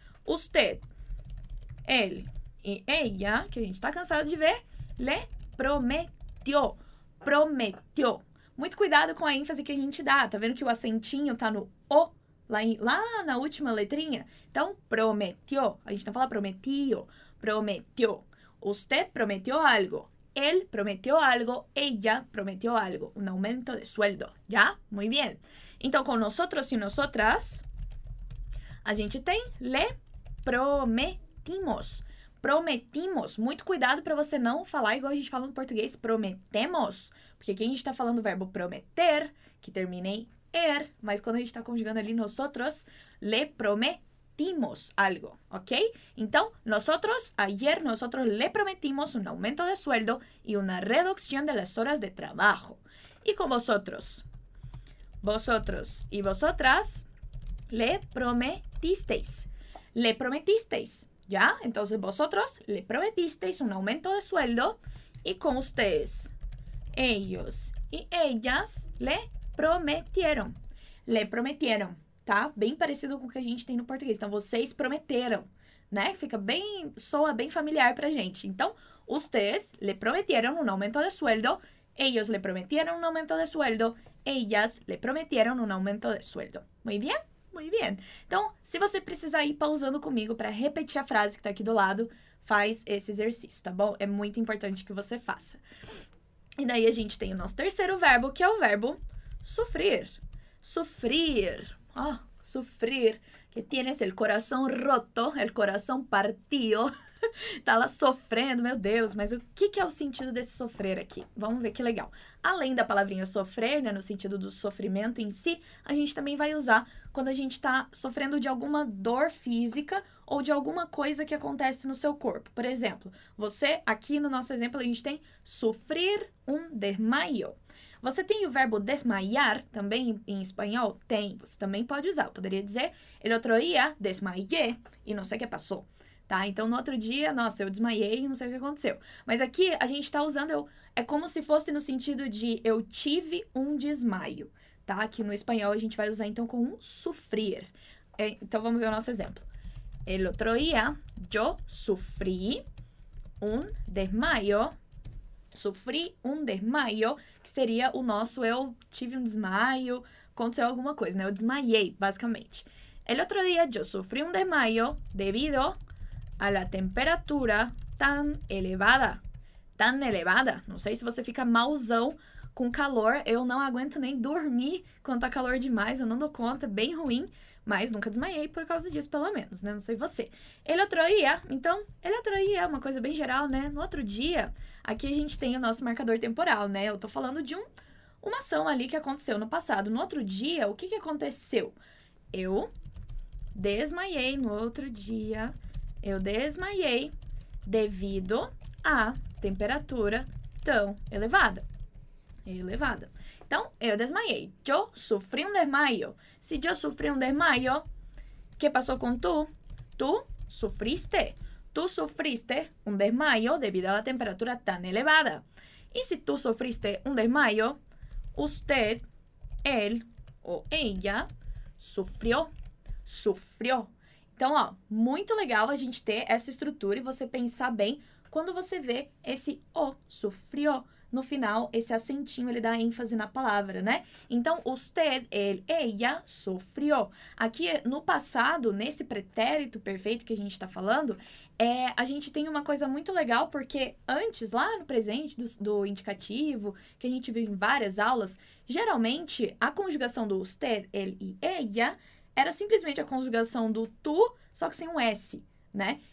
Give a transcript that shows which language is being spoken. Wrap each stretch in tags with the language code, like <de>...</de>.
<es>Usted, él y ella,</es> <pt>que a gente tá cansado de ver,</pt> <es>le prometió.</es> <pt>Prometeu. Muito cuidado com a ênfase que a gente dá. Tá vendo que o acentinho tá no O, lá na última letrinha? Então, prometeu. A gente não fala prometio. Prometeu. Usted prometeu algo. Él prometeu algo. Ella prometeu algo.</pt> <es>Um aumento de sueldo.</es> <pt>Já?</pt> <es>Muy bien.</es> <pt>Então, com nosotros e nosotras, a gente tem</pt> <es>le prometimos.</es> <pt>Prometimos. Muito cuidado para você não falar igual a gente fala no português, prometemos. Porque aqui a gente está falando o verbo prometer, que termina em er, mas quando a gente está conjugando ali</pt> <es>nosotros, le prometimos algo,</es> <pt>ok?</pt> <es>Então, nosotros, ayer, nosotros le prometimos un aumento de sueldo y una reducción de las horas de trabajo. Y con vosotros, vosotros y vosotras, le prometisteis. Le prometisteis. ¿Ya? Entonces, vosotros le prometisteis un aumento de sueldo y con ustedes, ellos y ellas le prometieron. Le prometieron, ¿tá? Bien parecido con lo que</es> <pt>a gente tem no português. Então, vocês prometeram, né? Fica bem, soa bem familiar pra gente.</pt> <es>Então, ustedes le prometieron un aumento de sueldo, ellos le prometieron un aumento de sueldo, ellas le prometieron un aumento de sueldo. Muy bien. Muy bien.</es> <pt>Então, se você precisar ir pausando comigo para repetir a frase que está aqui do lado, faz esse exercício, tá bom? É muito importante que você faça. E daí a gente tem o nosso terceiro verbo, que é o verbo sufrir.</pt> <es>Sufrir. Oh, sufrir. Que tienes el corazón roto, el corazón partido.</es> <pt>Tá lá sofrendo, meu Deus. Mas o que, que é o sentido desse sofrer aqui? Vamos ver que legal. Além da palavrinha sofrer, né, no sentido do sofrimento em si, a gente também vai usar quando a gente tá sofrendo de alguma dor física ou de alguma coisa que acontece no seu corpo. Por exemplo, você, aqui no nosso exemplo, a gente tem sofrer um desmaio. Você tem o verbo desmaiar também em espanhol? Tem, você também pode usar. Eu poderia dizer,</pt> <es>el otro día desmayé</es> <pt>e não sei o que passou. Tá? Então, no outro dia, nossa, eu desmaiei e não sei o que aconteceu. Mas aqui, a gente tá usando, é como se fosse no sentido de eu tive um desmaio, tá? Que no espanhol a gente vai usar, então, com um sufrir. É, então, vamos ver o nosso exemplo.</pt> <es>El otro día, yo sufrí un desmayo. Sufrí un desmayo,</es> <pt>que seria o nosso eu tive um desmaio, aconteceu alguma coisa, né? Eu desmaiei, basicamente.</pt> <es>El otro día, yo sufrí un desmayo debido a la temperatura tan elevada. Tan elevada.</es> <pt>Não sei se você fica mauzão com calor. Eu não aguento nem dormir quando tá calor demais. Eu não dou conta. É bem ruim. Mas nunca desmaiei por causa disso, pelo menos, né? Não sei você.</pt> <es>El otro día.</es> <pt>Então,</pt> <es>el otro día</es> <pt>é uma coisa bem geral, né? No outro dia, aqui a gente tem o nosso marcador temporal, né? Eu tô falando de uma ação ali que aconteceu no passado. No outro dia, o que, que aconteceu? Eu desmaiei no outro dia. Eu desmaiei devido à temperatura tão elevada. Elevada. Então, eu desmaiei.</pt> <es>Yo sufrí un desmayo. Si yo sufrí un desmayo, ¿qué pasó con tú? Tú sufriste. tú sufriste un desmayo debido a la temperatura tan elevada. Y si tú sufriste un desmayo, usted, él o ella sufrió.</es> <pt>Então, ó, muito legal a gente ter essa estrutura e você pensar bem quando você vê esse o, sufrió, no final, esse acentinho, ele dá ênfase na palavra, né? Então,</pt> <es>usted, él, ella, sufrió.</es> <pt>Aqui, no passado, nesse pretérito perfeito que a gente está falando, a gente tem uma coisa muito legal, porque antes, lá no presente do indicativo, que a gente viu em várias aulas, geralmente, a conjugação do usted, él e ella era simplesmente a conjugação do tu, só que sem um S, né?</pt>